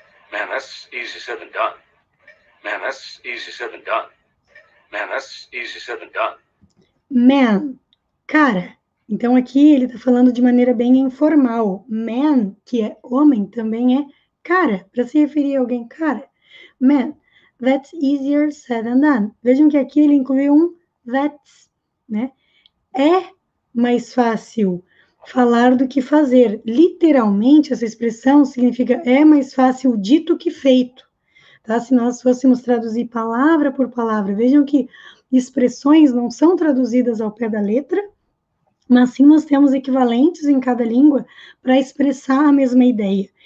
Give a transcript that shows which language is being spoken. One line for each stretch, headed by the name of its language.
English: Man, that's easy said than done. Man, that's easy said than done. Man, that's easy said than done. Man, cara.
Portuguese: Então aqui ele está falando de maneira bem informal. Man, que é homem, também é cara, para se referir a alguém, cara.
English: Man, that's easier said than done.
Portuguese: Vejam que aqui ele incluiu um that's, né? É mais fácil falar do que fazer. Literalmente, essa expressão significa é mais fácil dito que feito. Tá? Se nós fôssemos traduzir palavra por palavra, vejam que expressões não são traduzidas ao pé da letra, mas sim nós temos equivalentes em cada língua para expressar a mesma ideia.